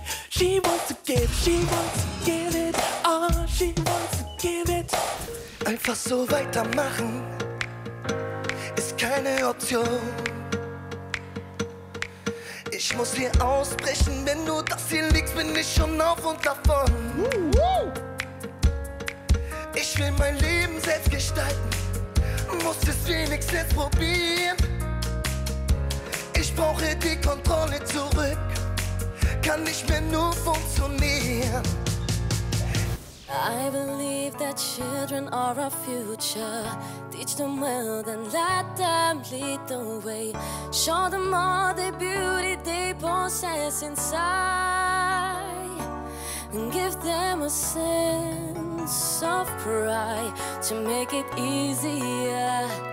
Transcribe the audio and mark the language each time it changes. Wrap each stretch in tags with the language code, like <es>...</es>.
<en>She wants to give, she wants to give it. Oh, she wants to give it.</en> <de>Einfach so weitermachen ist keine Option. Ich muss hier ausbrechen, wenn du das hier liegst, bin ich schon auf und davon. Ich will mein Leben selbst gestalten, muss es wenigstens probieren. Ich brauche die Kontrolle zurück, kann nicht mehr nur funktionieren.</de> <en>I believe that children are our future. Teach them well, then let them lead the way. Show them all the beauty they possess inside. And give them a sense of pride to make it easier.</en>